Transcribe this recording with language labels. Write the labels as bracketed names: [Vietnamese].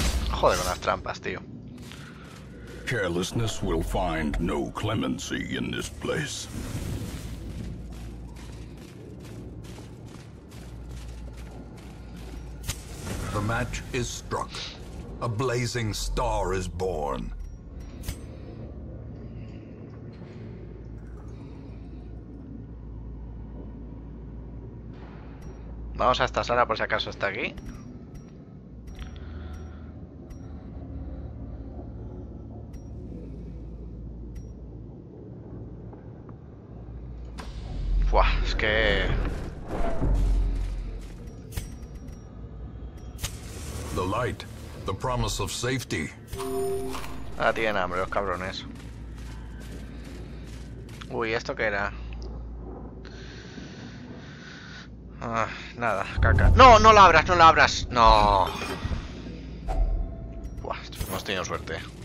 [Spanish] Joder con las trampas, tío. [English] Carelessness will find no clemency in this place. The match is struck. A blazing star is born. [Spanish] Vamos a esta sala por si acaso está aquí. Es que... [English] The light, the promise of safety. [Spanish] Ah, tienen hambre los cabrones. Uy, ¿esto qué era? Nada, caca. ¡No! ¡No la abras! ¡No la abras! ¡No! Buah, hemos tenido suerte.